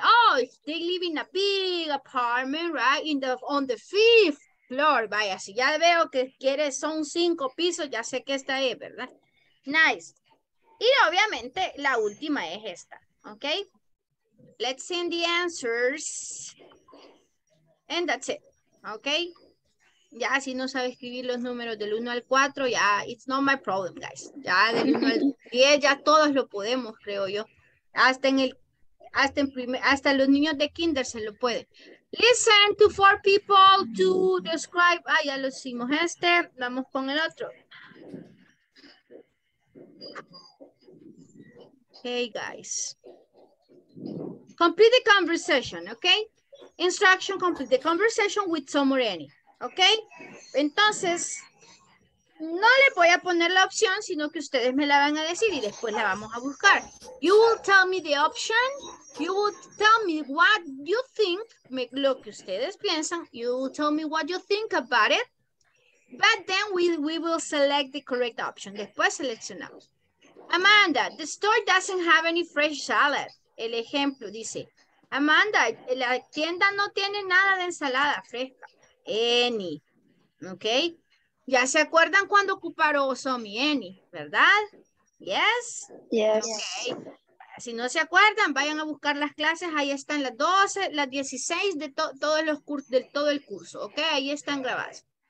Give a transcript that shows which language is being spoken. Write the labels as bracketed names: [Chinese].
[English] Oh, they live in a big apartment, right? On the fifth floor. [Spanish] Vaya, si ya veo que quieres son cinco pisos, ya sé que esta es, ¿verdad? [English] Nice. [Spanish] Y obviamente la última es esta, okay? [English] Let's send the answers. And that's it, okay? [Spanish] Ya si no sabe escribir los números del 1 al 4, ya, [English] it's not my problem, guys. [Spanish] Ya del 1 al 10, ya todos lo podemos, creo yo. Hasta los niños de kinder se lo pueden. [English] Listen to four people to describe. [Spanish] Ah, ya lo hicimos este. Vamos con el otro. [English] Hey, guys. Complete the conversation, okay? Instruction, complete the conversation with some or any. ¿Ok? [Spanish] Entonces, no le voy a poner la opción, sino que ustedes me la van a decir y después la vamos a buscar. [English] You will tell me the option. You will tell me what you think. [Spanish] Lo que ustedes piensan. [English] You will tell me what you think about it. But then we will select the correct option. [Spanish] Después seleccionamos. [English] Amanda, the store doesn't have any fresh salad. [Spanish] El ejemplo dice, Amanda, la tienda no tiene nada de ensalada fresca. Any, ok, ya se acuerdan cuando ocuparon Osomi any, ¿verdad? [English] Yes, yes. Okay. [Spanish] Si no se acuerdan, vayan a buscar las clases, ahí están las 12, las 16 de todo el curso, ok, ahí están grabadas.